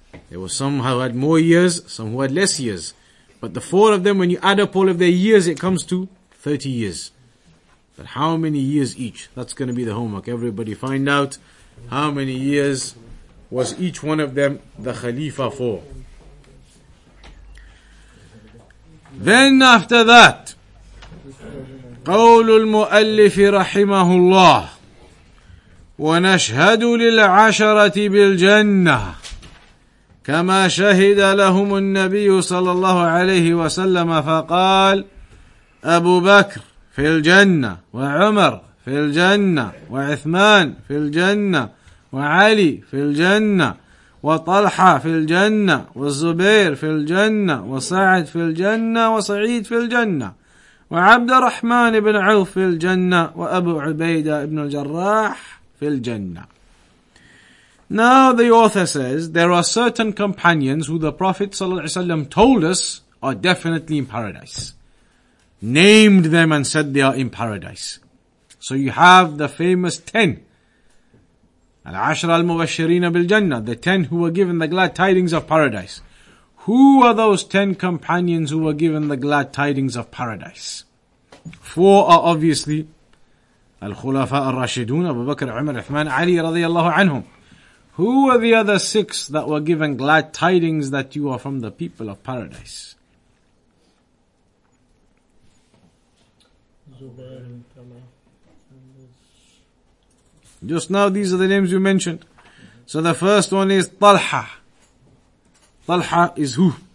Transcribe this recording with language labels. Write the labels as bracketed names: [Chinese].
[English] There were some who had more years, some who had less years. But the four of them, when you add up all of their years, it comes to 30 years. But how many years each? That's going to be the homework. Everybody find out how many years was each one of them the Khalifa for. Then after that, [Arabic] قول المؤلف رحمه الله ونشهد للعشرة بالجنة كما شهد لهم النبي صلى الله عليه وسلم فقال أبو بكر في الجنة وعمر في الجنة وعثمان في الجنة وعلي في الجنة وطلحة في الجنة والزبير في الجنة وسعد في الجنة وسعيد في الجنة وعبد الرحمن بن عوف في الجنة وأبو عبيدة بن الجراح في الجنة. [English] Now the author says there are certain companions who the Prophet [Arabic] صلى الله عليه وسلم [English] told us are definitely in paradise. Named them and said they are in paradise. So you have the famous 10. [Arabic] العشر المبشرين بالجنة. [English] The 10 who were given the glad tidings of paradise. Who are those 10 companions who were given the glad tidings of paradise? 4 are obviously [Arabic] الخلفاء الراشدون أبو بكر عمر عثمان علي رضي الله عنهم. [English] Who are the other 6 that were given glad tidings that you are from the people of paradise? Just now these are the names you mentioned. So the first one is Talha. Talha is who?